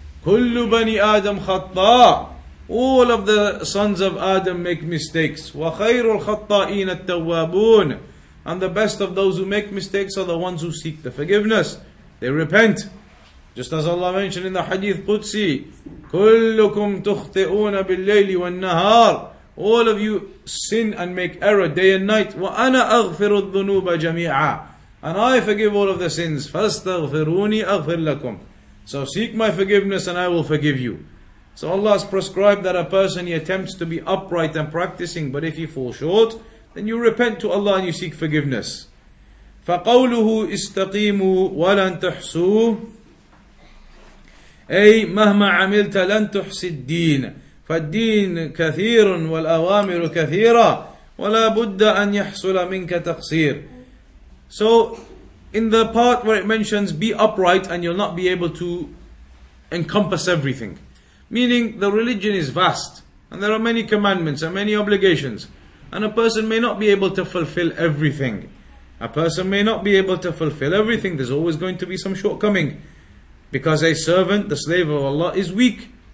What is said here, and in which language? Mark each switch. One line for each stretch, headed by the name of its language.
Arabic: كُلُّ بَنِي آدَمْ خَطَّاءُ.
English: All of the sons of Adam make mistakes.
Arabic: وَخَيْرُ الْخَطَّائِينَ التَّوَّابُونَ.
English: And the best of those who make mistakes are the ones who seek the forgiveness. They repent. Just as Allah mentioned in the Hadith Qudsi,
Arabic: كلكم تخطئون بالليل والنهار.
English: All of you sin and make error day and night.
Arabic: وأنا أغفر الذنوب جميعا.
English: And I forgive all of the sins.
Arabic: فاستغفروني أغفر لكم.
English: So seek my forgiveness and I will forgive you. So Allah has prescribed that a person, he attempts to be upright and practicing, but if he falls short, then you repent to Allah and you seek forgiveness.
Arabic: فَقَوْلُهُ إِسْتَقِيمُوا وَلَن تُحْسُوهُ أي مهما عملت لن تحسي الدين فالدين كثير والأوامر كثيرة ولا بد أن يحصل منك تقصير.
English: So in the part where it mentions be upright and you'll not be able to encompass everything, meaning the religion is vast and there are many commandments and many obligations, and a person may not be able to fulfill everything. A person may not be able to fulfill everything. There's always going to be some shortcoming, because a servant, the slave of Allah, is weak.